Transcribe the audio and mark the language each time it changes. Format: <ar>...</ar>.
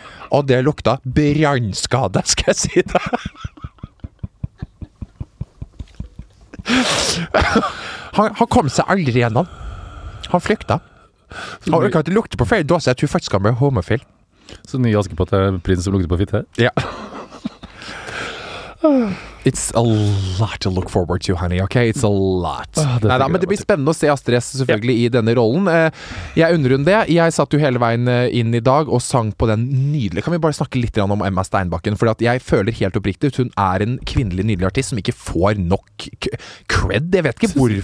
<no>Og det lukta brannskade, skal jeg si det. Han kom seg aldri gjennom. Han flykta. Og hun kan ikke lukte på feil. Da sier jeg at hun faktisk kan bli homofil. Så ny Askepott prinsen som lukter på fitte? Ja.</no> <en>It's a lot to look forward to, honey, okay? It's a lot.</en> <no>Neida, men det blir spennende å se Astrid S selvfølgelig I denne rollen. Jeg undrer om det. Jeg satt jo hele veien inn I dag og sang på den nydelige... Kan vi bare snakke litt om Emma Steinbakken? For jeg føler helt oppriktig at hun en kvinnelig nydelig artist som ikke får nok cred. Jeg vet ikke hvorfor.</no>